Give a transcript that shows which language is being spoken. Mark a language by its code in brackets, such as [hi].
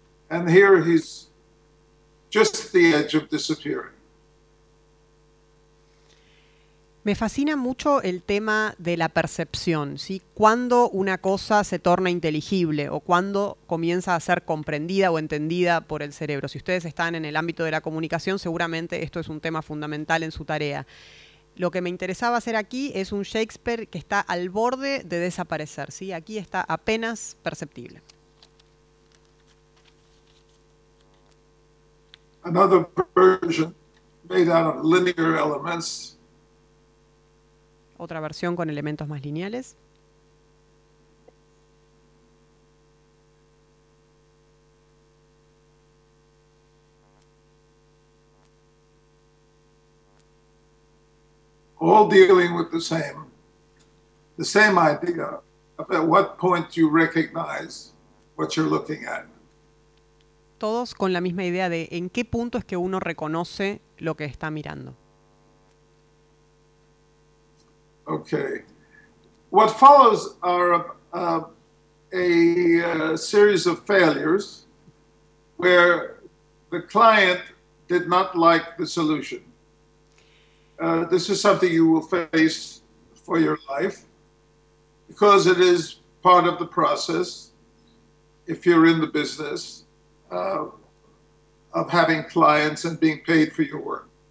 [en] And here he's just at the edge of disappearing. [es] Me fascina mucho el tema de la percepción, ¿sí? Cuando una cosa se torna inteligible o cuando comienza a ser comprendida o entendida por el cerebro. Si ustedes están en el ámbito de la comunicación, seguramente esto es un tema fundamental en su tarea. Lo que me interesaba hacer aquí es un Shakespeare que está al borde de desaparecer, ¿sí? Aquí está apenas perceptible. [en] Another version made out of linear elements. [es] Otra versión con elementos más lineales. [en] All dealing with the same idea about what point you recognize what you're looking at. [es] Todos con la misma idea de en qué punto es que uno reconoce lo que está mirando. [en] Okay. What follows are a series of failures where the client did not like the solution. This is something you will face for your life because it is part of the process if you're in the business of having clients and being paid for your work.